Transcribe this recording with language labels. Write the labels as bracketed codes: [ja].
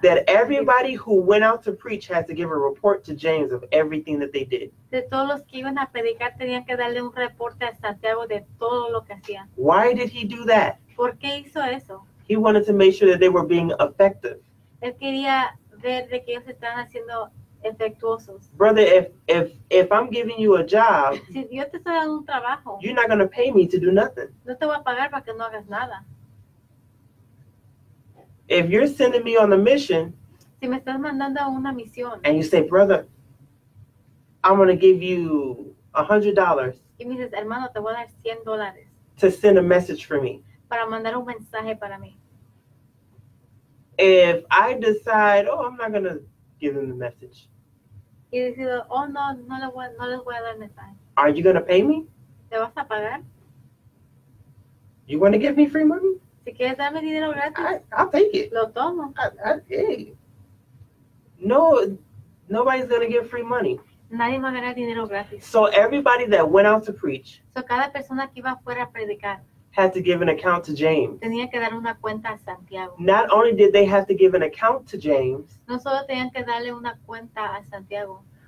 [en] That everybody who went out to preach had to give a report to James of everything that they did. [es] De todos los que iban a predicar tenían que darle un reporte a Santiago de todo lo que hacían. [en] Why did he do that? [es] ¿Por qué hizo eso? [en] He wanted to make sure that they were being effective. [es] Él quería ver de que ellos estaban haciendo efectuosos. [en] Brother, if I'm giving you a job, [es] si yo te estoy dando un trabajo, [en] you're not going to pay me to do nothing. [es] No te voy a pagar para que no hagas nada. [en] If you're sending me on a mission, [es] si me estás mandando a una misión, [en] and you say, brother, I'm going to give you $100. [es] Y me dices, hermano, te voy a dar $100. [en] To send a message for me. [es] Para mandar un mensaje para mí. [en] If I decide, oh, I'm not going to give them the message. [es] Y decido, oh, no, no, le voy, no les voy a dar mensaje. [en] Are you going to pay me? [es] ¿Te vas a pagar? [en] You want to give me free money? [es] Si quieres darme dinero gratis. [en] I'll take it. [es] Lo tomo. [en] Hey. No, nobody's going to give free money. [es] Nadie va a ganar dinero gratis. [en] So everybody that went out to preach. [es] So cada persona que iba fuera a predicar. [en] Had to give an account to James. [es] Tenía que dar una cuenta a Santiago. [en] Not only did they have to give an account to James. [es] No solo tenían que darle una cuenta a Santiago.